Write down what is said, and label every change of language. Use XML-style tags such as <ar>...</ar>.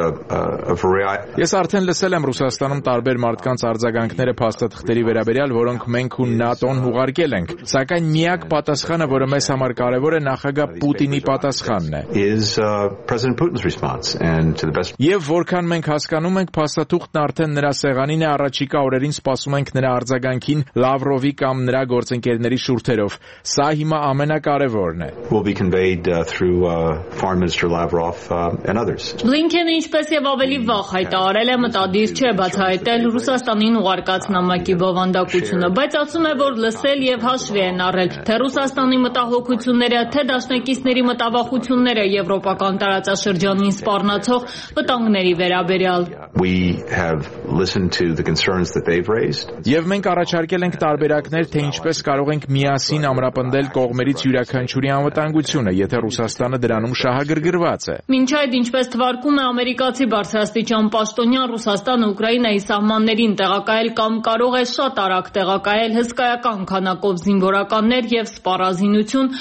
<hy>Ես արդեն լսել եմ Ռուսաստանում տարբեր մարդկանց արձագանքները փաստաթղթերի վերաբերյալ, որոնք մենք ու ՆԱՏՕ-ն հուղարկել ենք, սակայն միակ պատասխանը, որը մեզ համար կարևոր է, նախագահ Պուտինի պատասխանն է։ Եվ որքան մենք հասկանում ենք, փաստաթուղթն արդեն նրա սեղանին է, առաջիկա օրերին սպասում ենք նրա արձագանքին Լավրովի կամ նրա գործընկերների շուրթերով։ Սա հիմա ամենակարևորը։ Որն է։</hy> <en>will be conveyed through Foreign Minister Lavrov and others.</en> <hy>Blinken ինչպես եւ ավելի վաղ հայտարել է մտադիր չէ բացահայտել Ռուսաստանին ուղարկած նամակի բովանդակությունը, բայց ասում է, որ լսել եւ հաշվի են առել թե Ռուսաստանի մտահոգությունները, թե դաշնակիցների մտավախությունները եվրոպական տարածաշրջանին սպառնացող վտանգների վերաբերյալ.</hy> <en>We have listened to the concerns that they've raised.</en> <hy>Եվ մենք առաջարկել ենք տարբերակներ, թե ինչպես կարող ենք միասին ամրապնդել կողմերից յուրաքանչյուրի անվտանգությունը, եթե Ռուսաստանը դրանում շահագրգռված է։ Մինչ այդ, ինչպես թվարկում է ամերիկացի բարձրաստիճան պաշտոնյան, Ռուսաստանը Ուկրաինայի սահմաններին տեղակայել կամ կարող է շատ արագ տեղակայել հսկայական քանակով զինվորականներ եւ սպառազինություն,</hy>